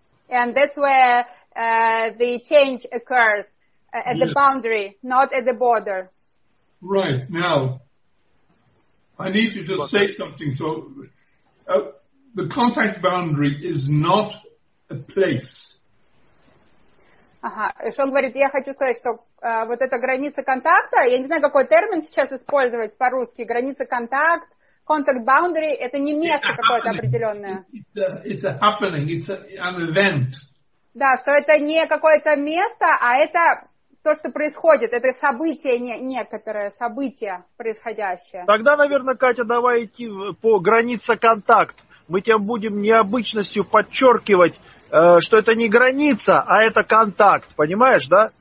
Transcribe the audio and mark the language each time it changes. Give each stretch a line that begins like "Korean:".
English: And that's where the change occurs, at the boundary, not at the border. Right. Now, I need to just say something. So the contact boundary is not a place.
Russian: Что он говорит, я хочу сказать, что вот эта граница контакта, я не знаю, какой термин сейчас использовать по-русски, граница контакт, contact boundary, это не место какое-то определенное.
English: It's a happening, it's an event.
Russian: Да, что это не какое-то место, а это то, что происходит, это событие, некоторое событие происходящее. Тогда, наверное, Катя, давай идти по границе контакт. Мы тебя будем необычностью подчеркивать, что это не граница, а это контакт, понимаешь, да?